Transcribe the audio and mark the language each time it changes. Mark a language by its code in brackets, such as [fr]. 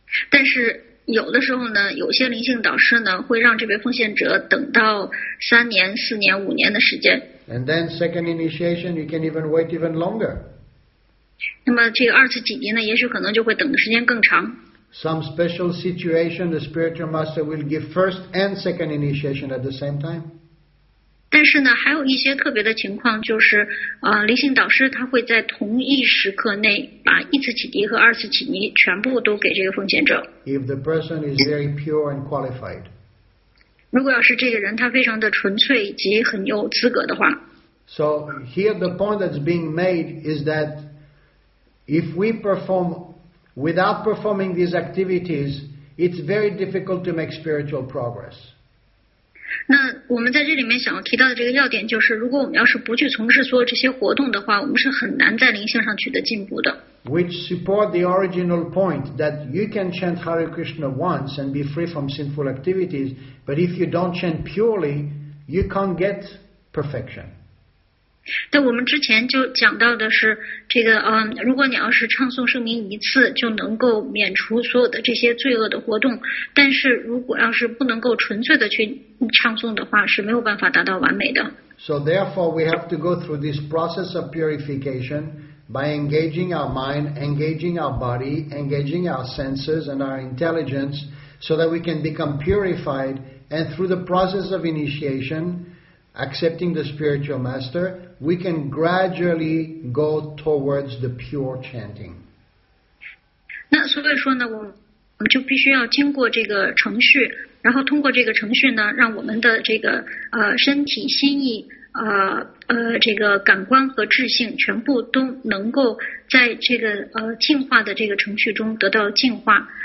[zh] 但是有的时候呢，有些灵性导师呢，会让这位奉献者等到3年、4年、5年的时间。 [en] And then second initiation, you can even wait even longer. [zh] 那么这个二次启迪呢，也许可能就会等的时间更长。 [en] Some special situation, the spiritual master will give first and second initiation at the same time. [zh] 但是呢，还有一些特别的情况，就是灵性导师他会在同一时刻内把一次启迪和二次启迪全部都给这个奉献者。 [en] If the person is very pure and qualified. [zh] 如果要是这个人他非常的纯粹以及很有资格的话。 [en] So here the point that's being made is that if we perform. Without performing these activities, it's very difficult to make spiritual progress. [zh] 那我们在这里面想要提到的这个要点就是，如果我们要是不去从事所有这些活动的话，我们是很难在灵性上取得进步的。 [en] Which support the original point that you can chant Hare Krishna once and be free from sinful activities, but if you don't chant purely, you can't get perfection. [zh] 但我们之前就讲到的是这个如果你要是唱诵圣名一次就能够免除所有的这些罪恶的活动，但是如果要是不能够纯粹的去唱诵的话，是没有办法达到完美的。 [en] So therefore we have to go through this process of purification by engaging our mind, engaging our body, engaging our senses and our intelligence so that we can become purified, and through the process of initiationaccepting the spiritual master, we can gradually go towards the pure chanting. [zh] 那所以说呢，我们就必须要经过这个程序，然后通过这个程序呢，让我们的这个身体、心意、这个感官和智性全部都能够在这个进化的这个程序中得到进化。